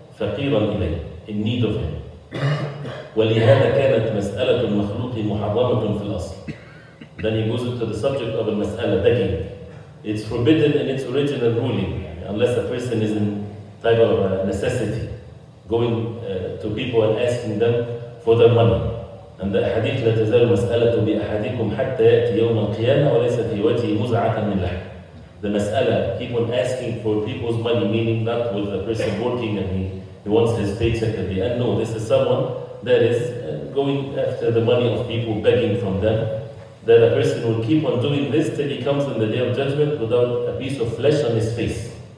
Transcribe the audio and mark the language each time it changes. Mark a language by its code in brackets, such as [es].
[ar] فَقِيرًا إِلَيْهِ, [en] in need of him. [ar] وَلِهَذَا كَانَتْ مَسْأَلَةُ الْمَخْلُوقِ مُحَرَّمَةٌ فِي الْأَصْلِ. [en] Then he goes into the subject of al-mas'ala, begging. It's forbidden in its original ruling, unless a person is in type of necessity, going to people and asking them for their money. [ar] أن الأحاديث لا تزال مسألة بأحدكم حتى يأتي يوم القيامة وليس في وجهه مزعة من لحم. [en] The مسألة people asking for people's money, meaning that with a person working and he wants his paycheck at the end. No, this is someone that is going after the money of people, begging from them. That a person will keep on doing this till he comes in the day of judgment without a piece of flesh on his face.